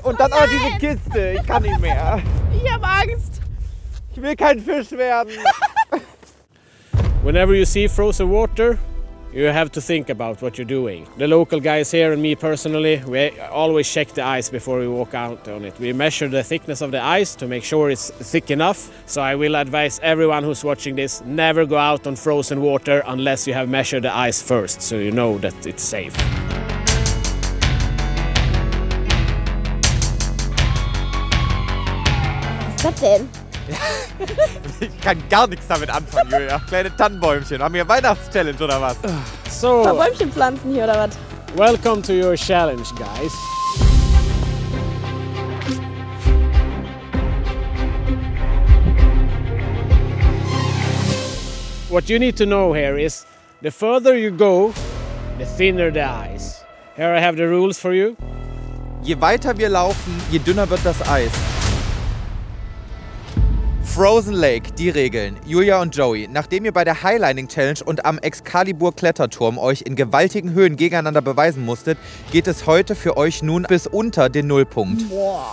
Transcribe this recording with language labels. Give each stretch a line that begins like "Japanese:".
German: Und dann auch diese Kiste. Ich kann nicht mehr. Ich habe Angst. Ich will kein Fisch werden.
English: Whenever you see frozen water, you have to think about what you're doing. The local guys here and me personally, we always check the ice before we walk out on it. We measure the thickness of the ice to make sure it's thick enough. So I will advise everyone who's watching this, never go out on frozen water unless you have measured the ice first, so you know that it's safe. What's that then?
German: Ich kann gar nichts damit anfangen, Julia. Kleine Tannenbäumchen. Haben wir Weihnachtschallenge oder was? So. Ein paar Bäumchen pflanzen hier oder was?
English: Welcome to your challenge, guys. What you need to know here is, the further you go, the thinner the ice. Here I have the rules for you.
German: Je weiter wir laufen, je dünner wird das Eis. Frozen Lake, die Regeln. Julia und Joey, nachdem ihr bei der Highlining Challenge und am Excalibur-Kletterturm euch in gewaltigen Höhen gegeneinander beweisen musstet, geht es heute für euch nun bis unter den Nullpunkt. Boah.